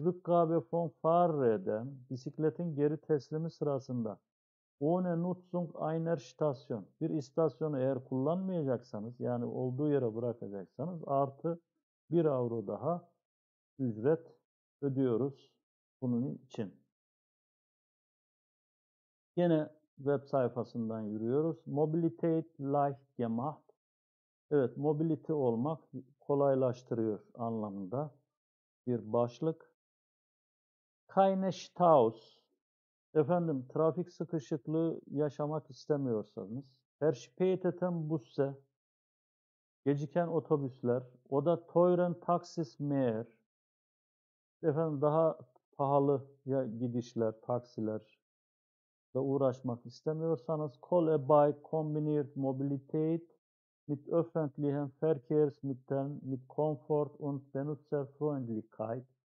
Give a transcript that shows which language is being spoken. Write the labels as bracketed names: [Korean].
[German] Rückgabe von Fahrrädern. [Turkish] Bisikletin geri teslimi sırasında. [German] Ohne Nutzung einer Station. [Turkish] Bir istasyonu eğer kullanmayacaksanız, yani olduğu yere bırakacaksanız, artı 1 euro daha ücret ödüyoruz bunun için. Yine web sayfasından yürüyoruz. [German] Mobilität leicht gemacht. [Turkish] Evet, mobility olmak kolaylaştırıyor anlamında bir başlık. [German] Keine Staus. [Turkish] Efendim, trafik sıkışıklığı yaşamak istemiyorsanız, [German] verspätete Busse, [Turkish] geciken otobüsler, o da [German] teuren Taxis mehr, [Turkish] efendim daha pahalı ya gidişler, taksiler ve uğraşmak istemiyorsanız, call a bike [German] kombiniert mobilität mit öffentlichen Verkehrsmitteln mit Komfort und Benutzerfreundlichkeit.